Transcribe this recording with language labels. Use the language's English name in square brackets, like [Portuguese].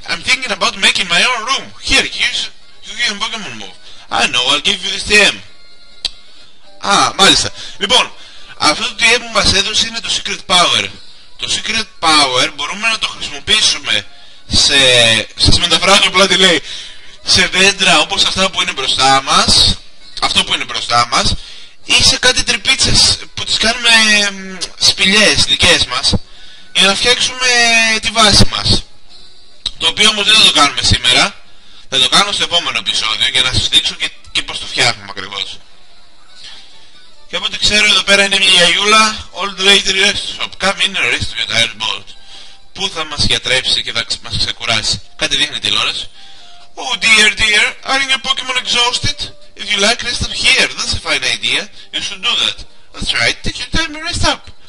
[English] I'm thinking about making my own room. Here, use a Pokemon move. I know, I'll give you this TM. [Greek] Α, μάλιστα. Λοιπόν, αυτό το TM που μας έδωσε είναι το Secret Power. Το Secret Power μπορούμε να το χρησιμοποιήσουμε σε... Σας μεταφράζω απλά τι λέει. Σε δέντρα όπως αυτά που είναι μπροστά μας. Αυτό που είναι μπροστά μας. Ή σε κάτι τρυπίτσες που τις κάνουμε σπηλιές δικές μας. Για να φτιάξουμε τη βάση μας. Το οποίο όμως δεν θα το κάνουμε σήμερα. Θα το κάνω στο επόμενο επεισόδιο για να σας δείξω και πώς το φτιάχνουμε ακριβώς. Και από ό,τι ξέρω εδώ πέρα είναι μια γιαγιούλα. [English] Old Lady Rest Shop. Come in and rest your tired boat. [Greek] Πού θα μας γιατρέψει και θα μας ξεκουράσει. Κάτι δείχνει τηλεόραση. [English] Oh dear dear, are you Pokemon exhausted? If you like, rest up here. That's a fine idea. You should do that. That's right. Take your time and rest up.